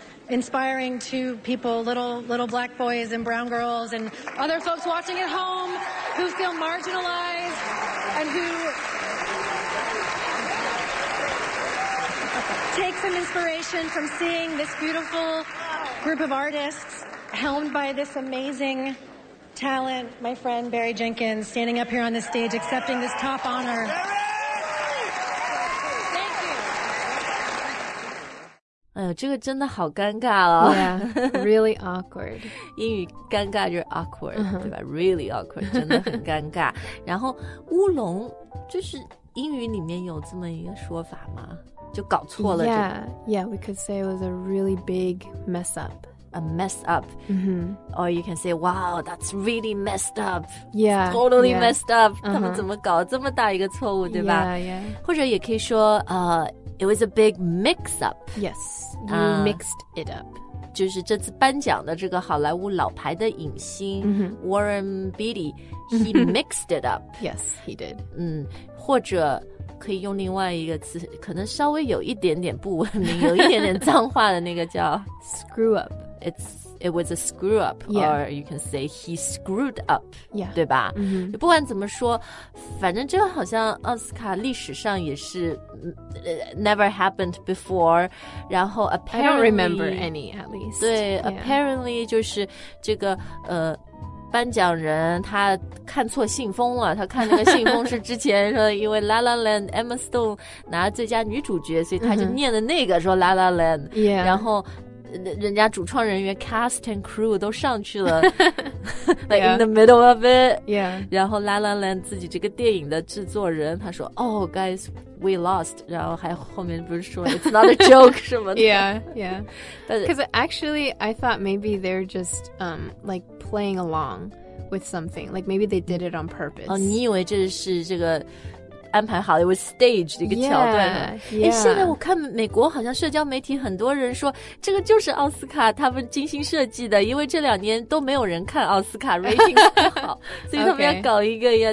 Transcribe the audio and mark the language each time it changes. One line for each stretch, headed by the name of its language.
English: inspiring to people, little black boys and brown girls and other folks watching at home who feel marginalized and who take some inspiration from seeing this beautiful group of artists helmed by this amazing talent, my friend Barry Jenkins, standing up here on the stage accepting this top honor. Thank you.
Chinese: 哎呦，这个真的好尴尬哦。
English: Yeah, really awkward.
Chinese: 英语尴尬就是 awkward, uh-huh. 对吧?
English: Really awkward,
Chinese: 真的很尴尬。然后乌龙，就是英语里面有这么一个说法吗？就搞错了。
English: Yeah, yeah, we could say it was a really big mess up. A mess up. Mm-hmm. Or you can say, wow, that's really messed up. Yeah. It's totally yeah. messed up. Uh-huh.
Chinese: 他们怎么搞这么大一个错误, 对吧?
English: Yeah, yeah.
Chinese: 或者也可以说,
English: it was a big mix up. Yes, you mixed it up.
Chinese: 就是这次颁奖的这个好莱坞老牌的影星 mm-hmm.
English: Warren Beatty, he mixed it up. Yes, he did.
Chinese: 或者 可以用另外一个词, 可能稍微有一点点不文明, 有一点点脏话的那个叫
English: screw up. It was a screw up, yeah. or you can say he screwed up, yeah.
Chinese: 对吧? Mm-hmm. 不管怎么说, 反正这个好像奥斯卡历史上也是
English: never happened before,
Chinese: 然后 apparently,
English: I don't remember any, at least.
Chinese: 对,
English: yeah.
Chinese: apparently 就是这个, 颁奖人他看错信封了，他看那个信封是之前说因为 La La Land Emma Stone 拿最佳女主角，所以他就念的那个说 La La Land，
English: yeah.
Chinese: 然后人家主创人员 cast and crew 都上去了 ，like yeah.
English: in the middle of it， yeah.
Chinese: 然后 La La Land 自己这个电影的制作人他说 ，
English: Oh guys， we lost，
Chinese: 然后还后面不是说
English: it's not a joke
Chinese: 什么的
English: ，yeah yeah， because actually I thought maybe they're just like playing along with something. Like maybe they did it on purpose.
Chinese: Oh, 你以为这是这个安排好,
English: it was staged
Chinese: 一个桥段。
English: Yeah, yeah.
Chinese: 现在我看美国好像社交媒体很多人说, 这个就是奥斯卡他们精心设计的, 因为这两年都没有人看奥斯卡, rating不好, 所以他们要搞一个,
English: okay.